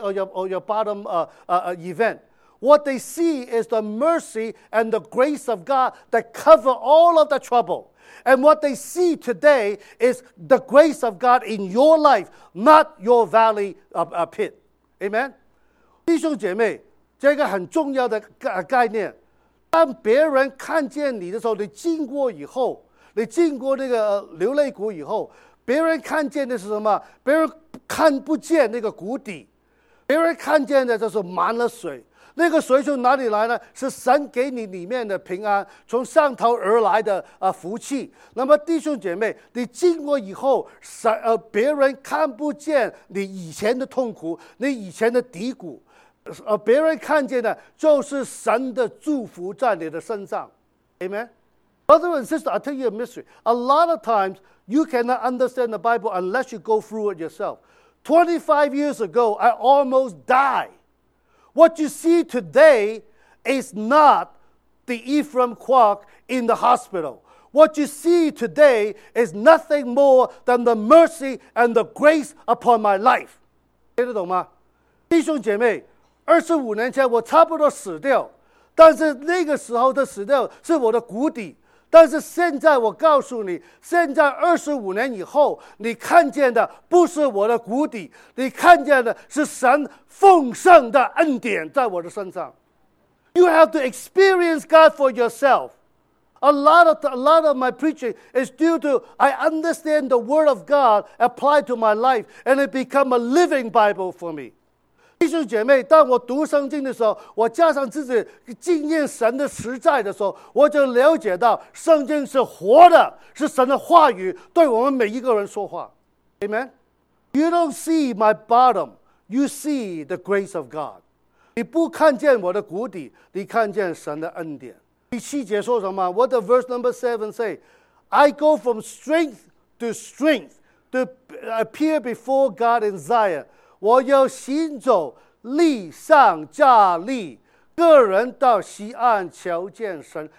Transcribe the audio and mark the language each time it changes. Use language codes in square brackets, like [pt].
[en] Or your bottom event. What they see is the mercy and the grace of God that cover all of the trouble. And what they see today is the grace of God in your life, not your valley pit. Amen? [zh] 弟兄姐妹，这个很重要的概念。当别人看见你的时候，你经过以后，你经过那个流泪谷以后，别人看见的是什么？别人看不见那个谷底，别人看见的就是满了水。那个水从哪里来呢？是神给你里面的平安，从上头而来的福气。那么弟兄姐妹，你经过以后，别人看不见你以前的痛苦，你以前的低谷，别人看见的就是神的祝福在你的身上。 [en] Amen. Brother and sister, I tell you a mystery. A lot of times, you cannot understand the Bible unless you go through it yourself. 25 years ago, I almost died. What you see today is not the Ephraim Kwok in the hospital. What you see today is nothing more than the mercy and the grace upon my life. [zh] 听得懂吗？弟兄姐妹，25年前我差不多死掉，但是那个时候的死掉是我的谷底。但是现在我告诉你，现在25年以后，你看见的不是我的谷底，你看见的是神丰盛的恩典在我的身上。 [en] You have to experience God for yourself. A lot of my preaching is due to I understand the word of God applied to my life, and it become a living Bible for me. [zh] 弟兄姐妹，当我读圣经的时候，我加上自己经验神的实在的时候，我就了解到圣经是活的，是神的话语对我们每一个人说话。 [en] Amen. You don't see my bottom, you see the grace of God. [zh] 你不看见我的谷底，你看见神的恩典。第七节说什么？ [en] What the verse number 7 say? I go from strength to strength to appear before God in Zion. [zh] 我要行走力上加力，个人到西岸求见神。